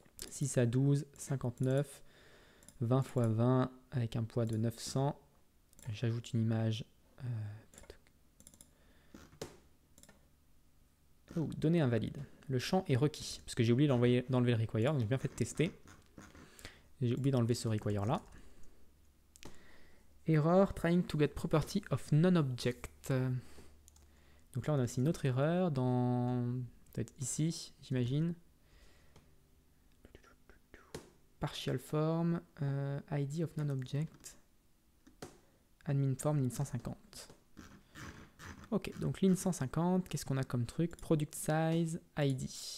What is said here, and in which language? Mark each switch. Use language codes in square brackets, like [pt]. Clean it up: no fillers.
[fr] 6 à 12, 59. 20 fois 20 avec un poids de 900. J'ajoute une image. Données invalides. Le champ est requis, parce que j'ai oublié d'enlever le require, donc j'ai bien fait de tester. J'ai oublié d'enlever ce require là. [en] Error, trying to get property of non-object. [fr] Donc là on a aussi une autre erreur, peut-être ici, j'imagine. [en] Partial form, ID of non-object, admin form, ligne 150. [fr] Ok, donc l'in 150, qu'est-ce qu'on a comme truc? Product size, ID.